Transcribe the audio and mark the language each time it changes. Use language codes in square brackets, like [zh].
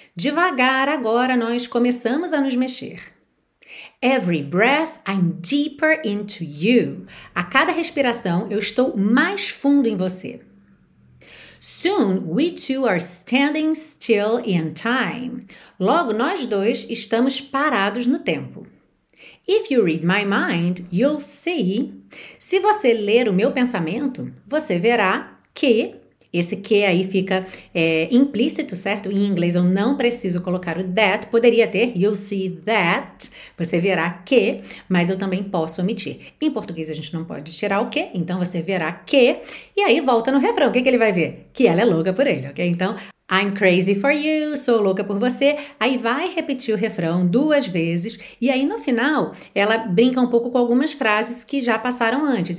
[pt] Devagar, agora nós começamos a nos mexer. [en] Every breath, I'm deeper into you. [pt] A cada respiração, eu estou mais fundo em você. [en] Soon, we two are standing still in time. [pt] Logo, nós dois estamos parados no tempo. [en] If you read my mind, you'll see. [pt] Se você ler o meu pensamento, você verá que... Esse que aí fica implícito, certo? Em inglês eu não preciso colocar o that. Poderia ter, [en] you'll see that. [pt] Você verá que, mas eu também posso omitir. Em português a gente não pode tirar o que, então você verá que. E aí volta no refrão, o que, que ele vai ver? Que ela é louca por ele, ok? Então, [en] I'm crazy for you, [pt] sou louca por você. Aí vai repetir o refrão duas vezes. E aí no final, ela brinca um pouco com algumas frases que já passaram antes.